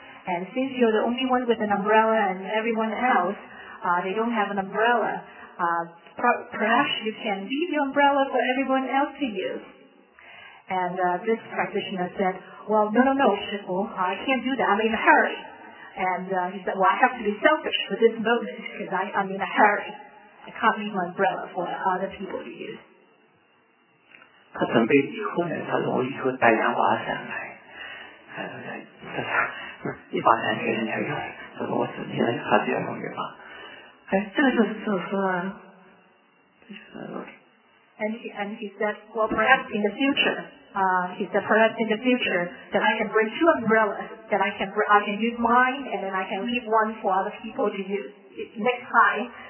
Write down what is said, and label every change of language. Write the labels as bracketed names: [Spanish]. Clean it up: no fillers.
[English] And since you're the only one with an umbrella and everyone else, they don't have an umbrella, perhaps you can leave your umbrella for everyone else to use. And this practitioner said, well, no, Shifu, I can't do that. I'm in a hurry. And he said, well, I have to be selfish for this moment because I'm in a hurry. I can't leave my umbrella for other people to use. [Chinese] 他准备以后呢，他说我以后带两把伞来，一把伞给人家用，他说我自己呢还是要用一把。哎，这个就是自私啊。 [English] And he said, well, perhaps in the future. He said, perhaps in the future that I can bring two umbrellas, that I can use mine and then I can leave one for other people to use next time.